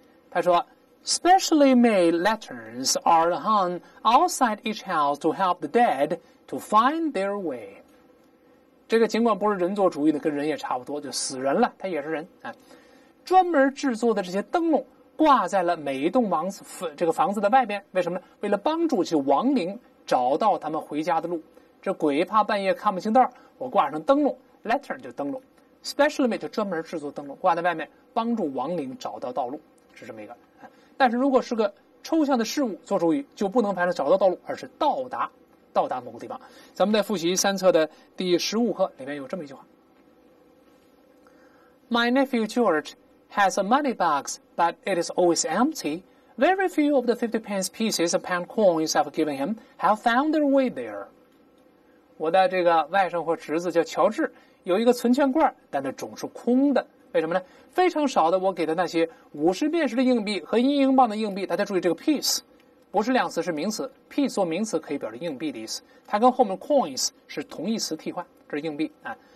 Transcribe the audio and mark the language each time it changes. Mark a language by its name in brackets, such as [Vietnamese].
[Chinese] 他说 [English] specially made lanterns are hung outside each house to help the dead to find their way。 [Chinese] 这个尽管不是人做主义的，跟人也差不多，就死人了，他也是人啊。专门制作的这些灯笼挂在了每一栋房子这个房子的外边，为什么呢？为了帮助这亡灵找到他们回家的路。这鬼怕半夜看不清道，我挂上灯笼 ，lantern 就灯笼 ，specially made 就专门制作灯笼挂在外面，帮助亡灵找到道路，是这么一个。但是如果是个抽象的事物做主语，就不能排成找到道路，而是到达。到达某个地方，咱们再复习三册的第15课，里面有这么一句话 [English] My nephew George has a money box, but it is always empty. Very few of the 50 pence pieces and pound coins I've given him have found their way there. [Chinese] 我的这个外甥或侄子叫乔治，有一个存钱罐，但那总是空的，为什么呢？非常少的我给的那些50便士的硬币和1英镑的硬币，大家注意这个 piece，不是量词，是名词。 P 做名词可以表示硬币的意思，它跟后面 coins 是同义词替换，这是硬币啊。